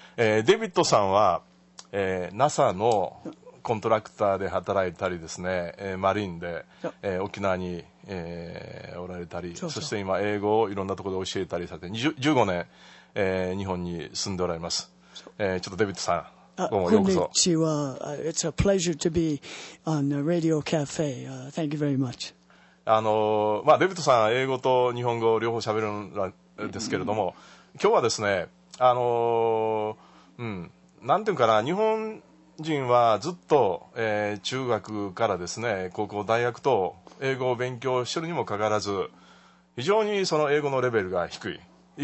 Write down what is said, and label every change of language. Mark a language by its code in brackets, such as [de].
[ja] デビッドさんは、NASA のコントラクターで働いたりですね、マリンで、沖縄に、おられたり、そして今英語をいろんなところで教えたりされて15年、日本に住んでおられます。ちょっとデビッドさん、どうもようこそ。こんにちは。 [en] It's a pleasure to be on the Radio Cafe. Thank you very much. [ja] デビッドさん英語と日本語両方喋るんですけれども、今日はですね、なんていうかな、日本人はずっと、中学からですね高校大学と英語を勉強してるにもかかわらず、非常にその英語のレベルが低い。